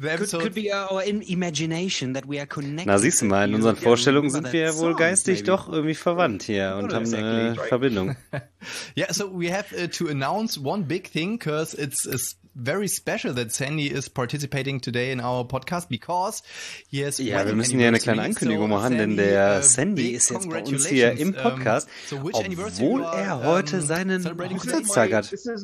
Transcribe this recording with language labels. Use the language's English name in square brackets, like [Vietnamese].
[English] Could be our imagination that we are connected. [German] Na, siehst du mal, in unseren Vorstellungen sind wir wohl geistig doch irgendwie verwandt hier und haben eine Verbindung. [English] Yeah, so we have to announce one big thing, because it's very special that Sandy is participating today in our podcast, because he has... [German] Ja, wir müssen ja eine kleine Ankündigung machen, denn der Sandy ist jetzt bei uns hier im Podcast, obwohl er heute seinen Hochzeitstag hat.